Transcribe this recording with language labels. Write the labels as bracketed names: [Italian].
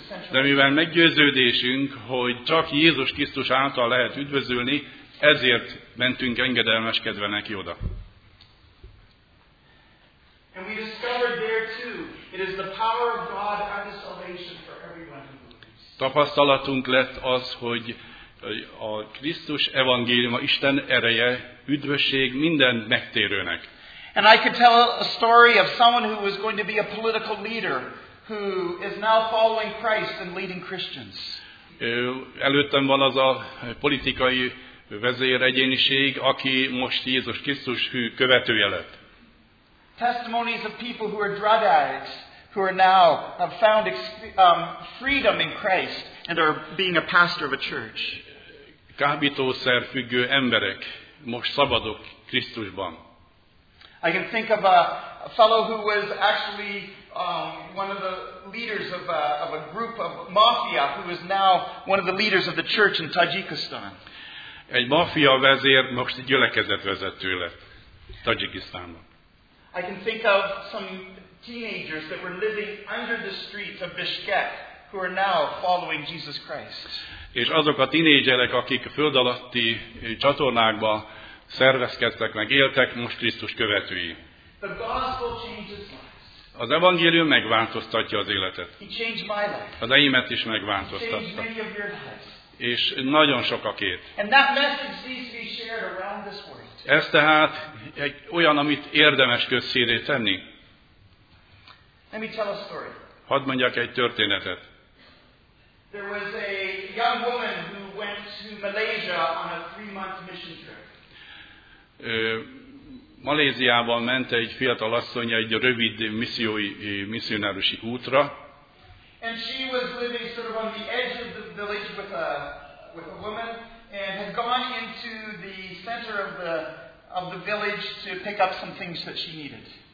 [Hungarian] De mivel meggyőződésünk, hogy csak Jézus Krisztus által lehet üdvözülni, ezért mentünk engedelmeskedve neki oda. [English] And we discovered there too, it is the power of God and the salvation. [Hungarian] Tapasztalatunk lett az, hogy a Krisztus evangéliuma Isten ereje, üdvösség minden megtérőnek. [English] And I could tell a story of someone who was going to be a political leader who is now following Christ and leading Christians. [Hungarian] Előttem van az a politikai vezér egyéniség, aki most Jézus Krisztus hű követője lett. [English] Testimonies of people who are drug addicts who are now have found freedom in Christ and are being a pastor of a church. [Hungarian] Kábítószer függő emberek most szabadok Krisztusban. [English] I can think of a fellow who was actually one of the leaders of a group of mafia who is now one of the leaders of the church in Tajikistan. [Hungarian] Egy mafia vezér most egy gyülekezet vezető lett Tajikisztánban. [English] I can think of some teenagers that were living under the streets of Bishkek who are now following Jesus Christ. [Hungarian] És azok a tinédzserek, akik föld alatti csatornákba szervezkedtek meg, éltek, most Krisztus követői. [English] The gospel changes lives. [Hungarian] Az evangélium megváltoztatja az életet. [English] He changed my life. [Hungarian] Az enyémet is megváltoztatta. [English] He changed many of your lives. [Hungarian] És nagyon sokakét. [English] And that message needs to be shared around this world. [Hungarian] Ez tehát egy olyan, amit érdemes közszíré tenni. [English] Let me tell a story. [Hungarian] Hadd mondjak egy történetet. [English] There was a young woman who went to Malaysia on a 3-month mission trip. [Hungarian] Maléziában ment egy fiatal asszony egy rövid misszionárusi útra. [English] And she was living sort of on the edge of the village with a woman and had gone into the center of the village to pick up some things that she needed.